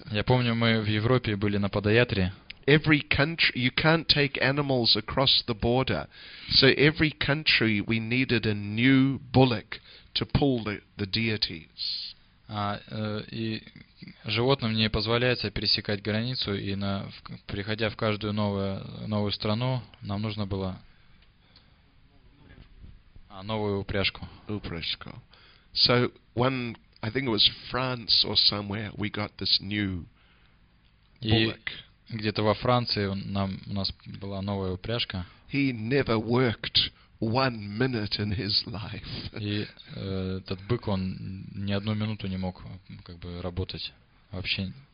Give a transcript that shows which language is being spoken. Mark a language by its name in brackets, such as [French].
[Russian] Я помню, мы в Европе были на Падаятре. [English] Every country you can't take animals across the border, so every country we needed a new bullock to pull the deities. [Russian] И животным не позволяется пересекать границу, и приходя в каждую новую страну, нам нужно было новую упряжку. Упряжку. [English] So one, I think it was France or somewhere, we got this new bullock. [Russian] Где-то во Франции у нас была новая упряжка. [English] He never worked 1 minute in his life. [Russian] И этот бык, он ни одну минуту не мог работать вообще.